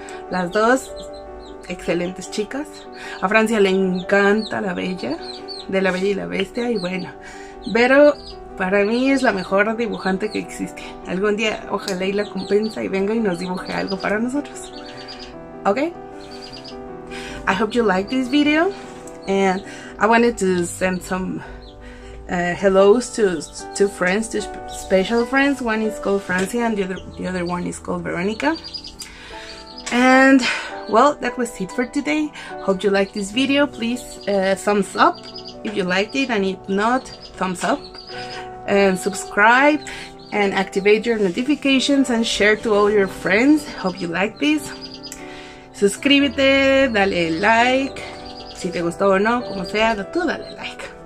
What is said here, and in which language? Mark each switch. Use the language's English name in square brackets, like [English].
[Spanish] Las dos excelentes chicas. A Francia le encanta La Bella, de La Bella y la Bestia, y bueno, Vero para mí es la mejor dibujante que existe. Algún día ojalá y la compensa y venga y nos dibuje algo para nosotros. [English] Ok, I hope you like this video, and I wanted to send some hellos to two friends, two special friends. One is called Francia and the other one is called Veronica. And well, that was it for today. Hope you like this video. Please thumbs up if you liked it, and if not, thumbs up and subscribe and activate your notifications and share to all your friends. Hope you like this. [Spanish] Suscríbete, dale like, si te gustó o no, como sea, tú dale like.